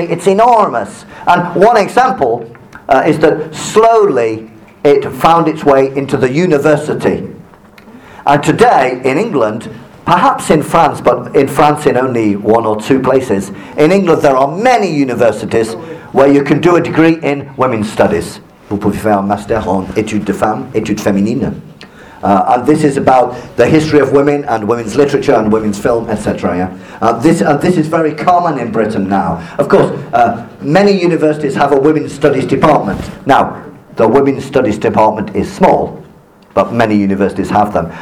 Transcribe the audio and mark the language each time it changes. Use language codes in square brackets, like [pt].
[en] It's enormous. And one example is that slowly it found its way into the university. And today in England, perhaps in France, but in France in only one or two places. In England, there are many universities where you can do a degree in women's studies. [fr] Vous pouvez faire un master en études de femmes, études féminines. [en] And this is about the history of women and women's literature and women's film, etc. Yeah? This is very common in Britain now. Of course, many universities have a women's studies department. Now, the women's studies department is small, but many universities have them.